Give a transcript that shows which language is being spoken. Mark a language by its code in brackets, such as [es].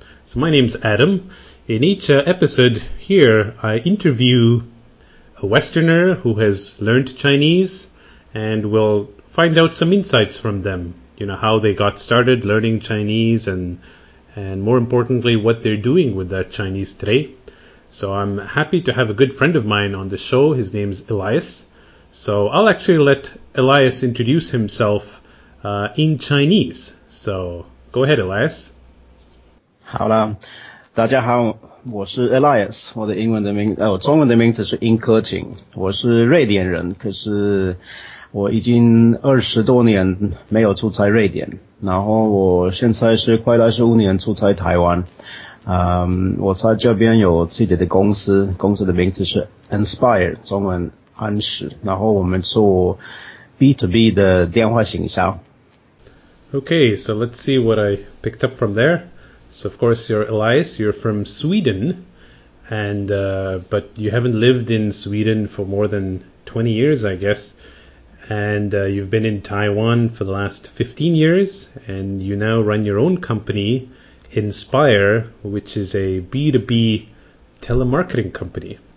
[en] So my name's Adam. In each episode here, I interview a Westerner who has learned Chinese and will find out some insights from them, you know, how they got started learning Chinese and more importantly, what they're doing with that Chinese today. So I'm happy to have a good friend of mine on the show. His name's Elias. So I'll actually let Elias introduce himself in Chinese. So go ahead, Elias. [zh] 好啦，大家好，我是 Elias， 我的英文的名字，我中文的名字是殷科景，我是瑞典人，可是我已经二十多年没有出差瑞典，然后我现在是快二十五年出差台湾。我在这边有自己的公司，公司的名字是 Inspire， 中文安石，然后我们做 B2B 的电话行销。 [en] Okay, so let's see what I picked up from there. So of course you're Elias, you're from Sweden, and but you haven't lived in Sweden for more than 20 years, I guess, and you've been in Taiwan for the last 15 years, and you now run your own company, Inspire, which is a B2B telemarketing company.